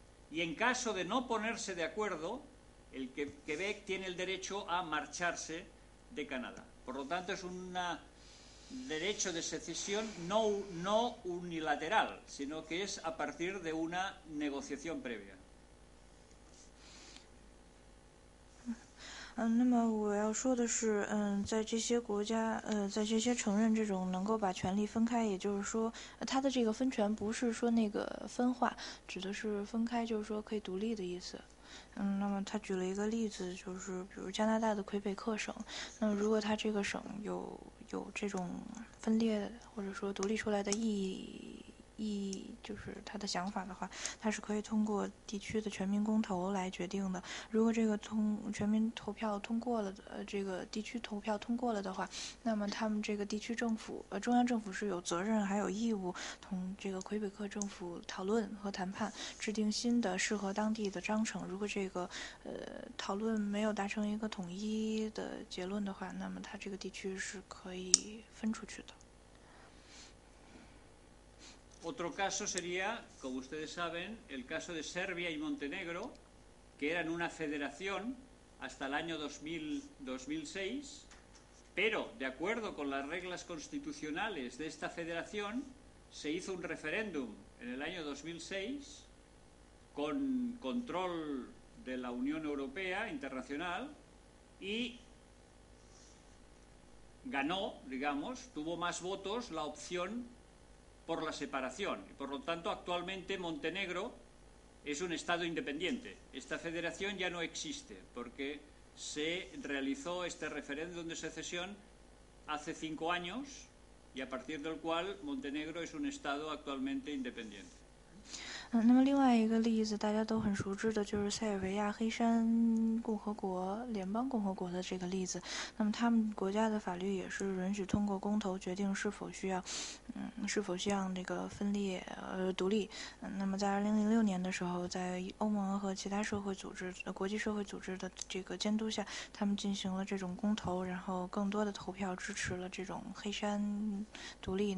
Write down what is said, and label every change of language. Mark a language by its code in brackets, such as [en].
[es] Y en caso de no ponerse de acuerdo, el Quebec tiene el derecho a marcharse de Canadá. Por lo tanto, es un derecho de secesión no unilateral, sino que es a partir de una negociación previa. [zh] 那么我要说的是，在这些国家，在这些承认这种能够把权力分开，也就是说，它的这个分权不是说那个分化，指的是分开，就是说可以独立的意思。那么他举了一个例子，就是比如加拿大的魁北克省，那么如果他这个省有这种分裂或者说独立出来的意义就是他的想法的话，他是可以通过地区的全民公投来决定的。如果这个全民投票通过了，这个地区投票通过了的话，那么他们这个地区政府，中央政府是有责任还有义务同这个魁北克政府讨论和谈判，制定新的适合当地的章程。如果这个讨论没有达成一个统一的结论的话，那么他这个地区是可以分出去的。 [es] Otro caso sería, como ustedes saben, el caso de Serbia y Montenegro, que eran una federación hasta el año 2006, pero de acuerdo con las reglas constitucionales de esta federación, se hizo un referéndum en el año 2006 con control de la Unión Europea Internacional y ganó, digamos, tuvo más votos la opción por la separación. Y por lo tanto, actualmente Montenegro es un estado independiente. Esta federación ya no existe porque se realizó este referéndum de secesión hace 5 años y a partir del cual Montenegro es un estado actualmente independiente. [zh] 那么另外一个例子大家都很熟知的就是塞尔维亚黑山共和国联邦共和国的这个例子。那么他们国家的法律也是允许通过公投决定是否需要这个分裂独立。那么在2006年的时候，在欧盟和其他社会组织国际社会组织的这个监督下，他们进行了这种公投，然后更多的投票支持了这种黑山独立。